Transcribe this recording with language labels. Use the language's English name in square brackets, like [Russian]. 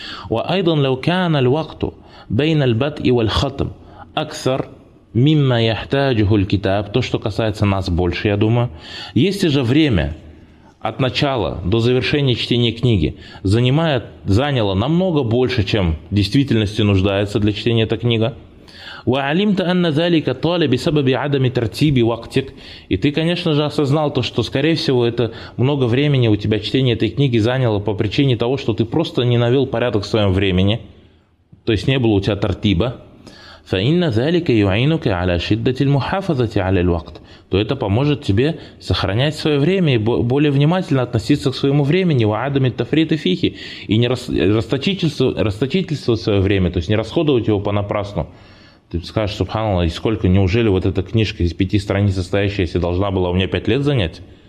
[Arabic] وأيضا لو كان الوقت بين البدء والختم أكثر مما يحتاجه الكتاب, [Russian] то, что касается нас больше, я думаю, если же время от начала до завершения чтения книги заняло намного больше, чем в действительности нуждается для чтения эта книга. [Arabic] وعلمت أن ذلك طال بسبب عدم ترتيب وقتك. [Russian] И ты, конечно же, осознал то, что, скорее всего, это много времени у тебя чтение этой книги заняло по причине того, что ты просто не навел порядок в своем времени, то есть не было у тебя тартиба. [Arabic] فإن ذلك يعينك على شدة المحافظة على الوقت. [Russian] То это поможет тебе сохранять свое время и более внимательно относиться к своему времени, [Arabic] وعدم التفريط فيه, [Russian] и не расточительствовать свое время, то есть не расходовать его понапрасну. Ты скажешь, субханаллах, и сколько, неужели вот эта книжка из 5 страниц состоящаяся должна была у меня 5 лет занять?